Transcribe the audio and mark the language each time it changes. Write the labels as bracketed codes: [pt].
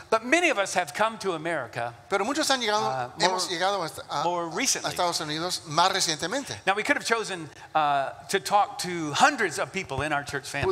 [en] But many of us have come to America. [es] Pero muchos han llegado, hemos llegado a Estados Unidos más recientemente. [en] Now we could have chosen to talk to hundreds of people in our church family.